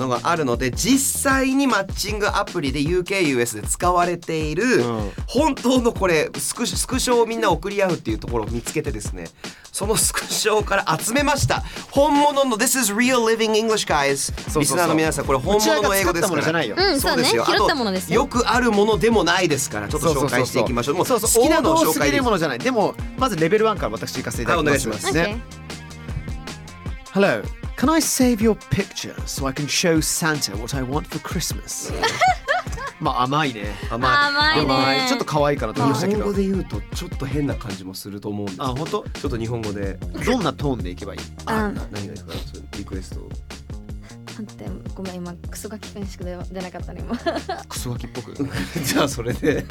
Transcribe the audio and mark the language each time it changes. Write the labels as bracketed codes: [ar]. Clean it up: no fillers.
[ja] のがあるので、実際にマッチングアプリで UKUS で使われている、うん、本当のこれスクショをみんな送り合うっていうところを見つけてですね、そのスクショから集めました。本物の [en] This is real living English guys。そ [ja] そうそう、リスナーの皆さん、これ本物の英語ですから。うちらが使ったものじゃないよ。うん、そうね、拾ったものですよ。よくあるものでもないですから、ちょっと紹介していきましょう。そう、好きなのを紹介です。多すぎるものじゃない。でもまずレベル1から私行かせていただきます。はい、お願いします、ね。 [en] Hello, can I save your picture so I can show Santa what I want for Christmas? [ja] まあ甘いね。甘いね。ちょっと可愛いかなと思いましたけど。日本語で言うとちょっと変な感じもすると思うんですけど。あ、本当？ちょっと日本語で。どんなトーンでいけばいい？何がいいかな？そのリクエスト。なんて、ごめん、今クソガキっぽくしか出なかったね、今。クソガキっぽく。じゃあそれで、